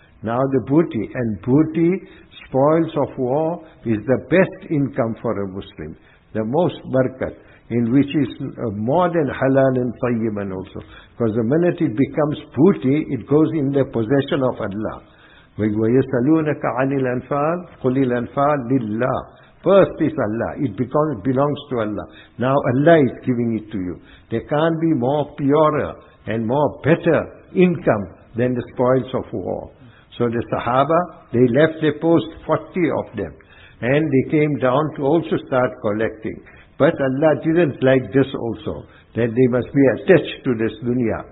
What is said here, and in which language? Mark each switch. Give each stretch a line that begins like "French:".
English: Now the booty, and booty, spoils of war, is the best income for a Muslim. The most barakat, in which is more than halal and tayyiban also. Because the minute it becomes booty, it goes in the possession of Allah.
Arabic: وَيَسَلُونَكَ عَنِ الْأَنْفَالِ قُلِ الْأَنْفَالِ لِلَّهِ
English: First is Allah. It belongs to Allah. Now Allah is giving it to you. There can't be more purer and more better income than the spoils of war. So the Sahaba, they left their post, 40 of them. And they came down to also start collecting. But Allah didn't like this also, that they must be attached to this dunya.